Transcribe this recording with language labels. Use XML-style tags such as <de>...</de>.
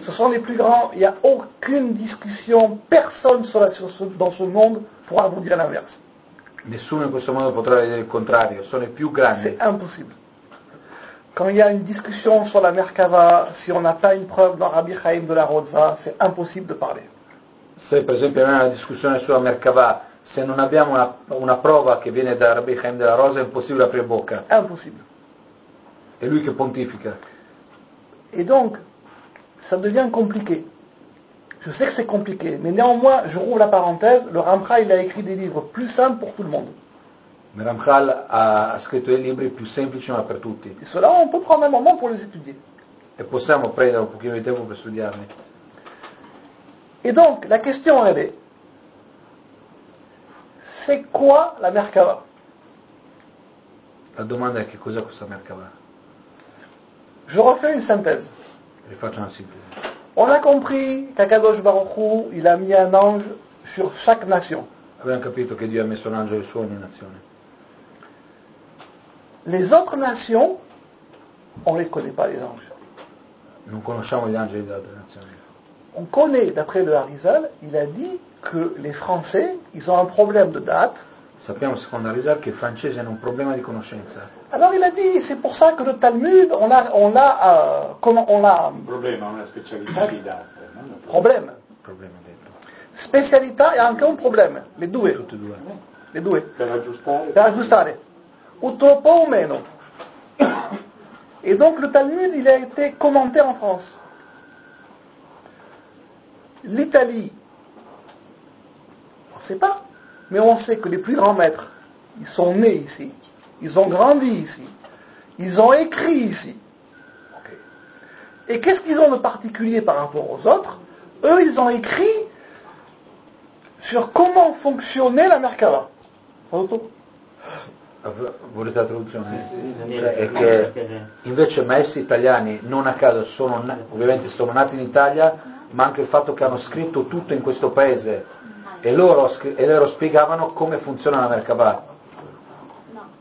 <fr>Ce sont les plus grands, il n'y a aucune discussion, personne sera dans ce monde pourra vous dire l'inverse.</fr> <it>Nessuno in questo mondo potrà dire il contrario, sono i più grandi.</it> <fr>C'est impossible. Quand il y a une discussion sur la Merkava, si on n'a pas une preuve dans Rabbi Chaim de la Rosa, c'est impossible de parler.</fr> <it>Se per esempio non è una discussione sulla Merkava, se non abbiamo una prova che viene da Rabbi Chaim de la Rosa, è impossibile aprire bocca. È impossibile. È lui che pontifica.</it> <fr>Et donc, ça devient compliqué. Je sais que c'est compliqué, mais néanmoins, je rouvre la parenthèse, le Ramchal, il a écrit des livres plus simples pour tout le monde.</fr> <it>Le Ramchal a scritto dei libri più semplici ma per tutti.</it> <fr>Et cela, on peut prendre un moment pour les étudier.</fr> <it>Et possiamo prendere un pochino di tempo per studiarli.</it> <fr>Et donc, la question, elle est, c'est quoi la Merkava?</fr> <it>La domanda è che cos'è questa Merkava?</it> <fr>Je refais une synthèse. Je fais une synthèse. On a compris qu'Akadosh Baruch Hu, il a mis un ange sur chaque nation.</fr> <it>Abbiamo capito che Dio ha messo un angelo su ogni nazione.</it> <fr>Les autres nations, on ne les connaît pas, les anges.</fr> <it>Non conosciamo gli angeli delle altre nazioni.</it> <fr>On connaît, d'après le Harizal, il a dit que les Français, ils ont un problème de date.</fr> <it>Sappiamo, secondo Harizal, che i francesi hanno un problema di conoscenza.</it> <fr>Alors il a dit, c'est pour ça que le Talmud, on a un problème, on a la spécialité di date. Problème. Problème,</fr> <it>detto.</it> <fr>Spécialité et</fr> <it>anche</it> <fr>un problème. Les deux.</fr> <it>Tutti e due.</it> <fr>Les deux.</fr> <it>Per aggiustare. Per aggiustare.</it> <fr>Ou trop ou</fr> <it>meno.</it> <fr>Et donc le Talmud, il a été commenté en France. L'Italie, on ne sait pas, mais on sait que les plus grands maîtres, ils sont nés ici, ils ont grandi ici, ils ont écrit ici. Et qu'est-ce qu'ils ont de particulier par rapport aux autres? Eux, ils ont écrit sur comment fonctionnait la Merkava.</fr> <it>Volete la traduzione? È che invece maestri italiani, non a caso, sono ovviamente sono nati in Italia, ma anche il fatto che hanno scritto tutto in questo paese e loro spiegavano come funziona la Merkabah. No.</it>